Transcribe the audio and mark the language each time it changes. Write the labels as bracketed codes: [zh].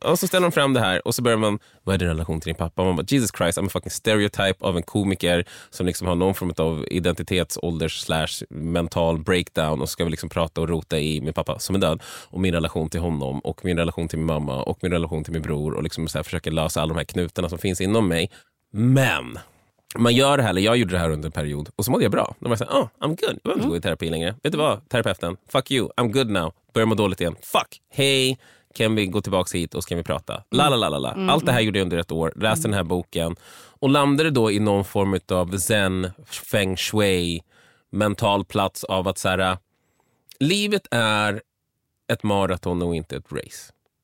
[sv] Och så ställer de fram det här, och så börjar man, vad är din relation till din pappa? Man bara, [en] Jesus Christ, I'm a fucking stereotype [sv] av en komiker som liksom har någon form av identitetsålders/mental breakdown, och så ska vi liksom prata och rota i min pappa som är död, och min relation till honom, och min relation till min mamma, och min relation till min bror, och liksom så här, försöka lösa alla de här knutarna som finns inom mig. Men man gör det här, eller jag gjorde det här under en period, och så mådde jag bra. Då var jag såhär, [en] I'm good, [sv] jag behöver inte gå i terapi längre. Vet du vad, terapeuten, [en] fuck you, I'm good now. [sv] Börjar må dåligt igen, fuck, hej, kan vi gå tillbaka hit och så kan vi prata. Lalalala. Allt det här gjorde jag under ett år. Läste den här boken och landade då i någon form av zen, feng shui, mental plats av att såhär, livet är ett maraton och inte ett race.